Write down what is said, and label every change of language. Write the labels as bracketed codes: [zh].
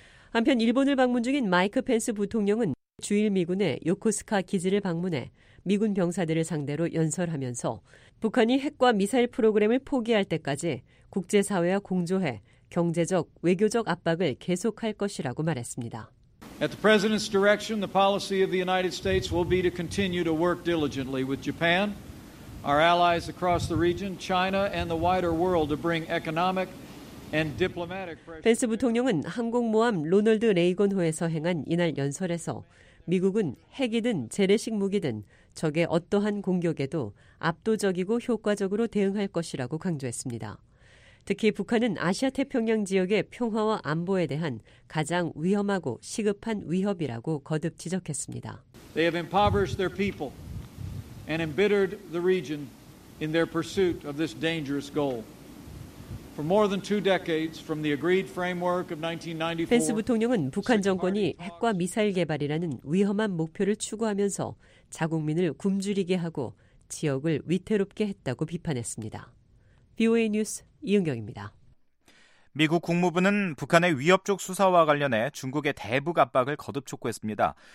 [ko] 한편 일본을 방문 중인 마이크 펜스 부통령은 주일 미군의 요코스카 기지를 방문해 미군 병사들을 상대로 연설하면서 북한이 핵과 미사일 프로그램을 포기할 때까지 국제사회와 공조해 경제적, 외교적 압박을 계속할 것이라고 말했습니다. [en] At the president's direction, the policy of the United States will be to continue to work diligently with Japan, our allies across the region, China, and the wider world to bring economic and diplomatic pressure. [ko] 펜스 부통령은 항공모함 로널드 레이건호에서 행한 이날 연설에서 미국은 핵이든 재래식 무기든 적의 어떠한 공격에도 압도적이고 효과적으로 대응할 것이라고 강조했습니다. 특히 북한은 아시아태평양 지역의 평화와 안보에 대한 가장 위험하고 시급한 위협이라고 거듭 지적했습니다. [en] They have impoverished their people and embittered the region in their pursuit of this dangerous goal. For more than two decades from the agreed framework of 1994, [ko] 펜스 부통령은 북한 정권이 핵과 미사일 개발이라는 위험한 목표를 추구하면서 자국민을 굶주리게 하고 지역을 위태롭게 했다고 비판했습니다. VOA 뉴스 이은경입니다. 미국 국무부는 북한의 위협적 수사와 관련해 중국의 대북 압박을 거듭 촉구했습니다.